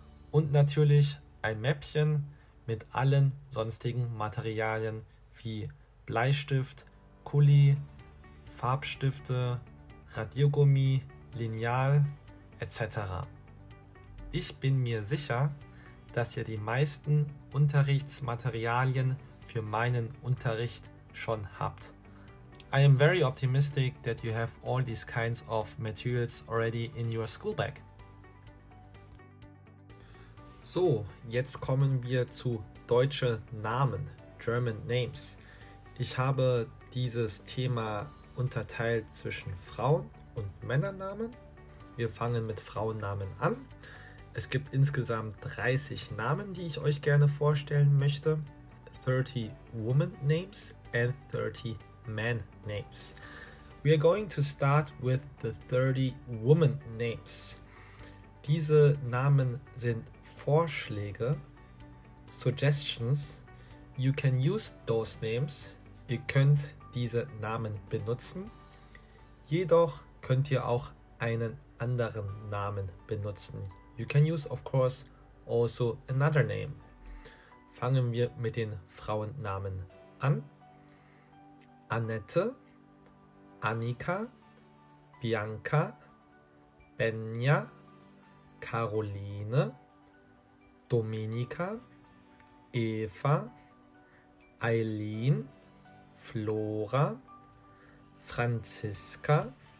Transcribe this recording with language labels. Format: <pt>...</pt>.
<de>Und natürlich ein Mäppchen mit allen sonstigen Materialien wie Bleistift, Kuli, Farbstifte, Radiergummi, Lineal etc. Ich bin mir sicher, dass ihr die meisten Unterrichtsmaterialien für meinen Unterricht schon habt.</de> <en>I am very optimistic that you have all these kinds of materials already in your school bag.</en> <de>So, jetzt kommen wir zu deutschen Namen,</de> <en>German Names.</en> <de>Ich habe dieses Thema unterteilt zwischen Frauen- und Männernamen. Wir fangen mit Frauennamen an. Es gibt insgesamt 30 Namen, die ich euch gerne vorstellen möchte.</de> <en>30 Woman Names and 30 Man Names. We are going to start with the 30 Woman Names.</en> <de>Diese Namen sind Vorschläge, Suggestions.</de> <en>You can use those names.</en> <de>Ihr könnt diese Namen benutzen. Jedoch könnt ihr auch einen anderen Namen benutzen.</de> <en>You can use, of course, also another name.</en> <de>Fangen wir mit den Frauennamen an. Annette, Annika, Bianca, Benja, Caroline, Dominika, Eva, Eileen, Flora, Franziska,</de>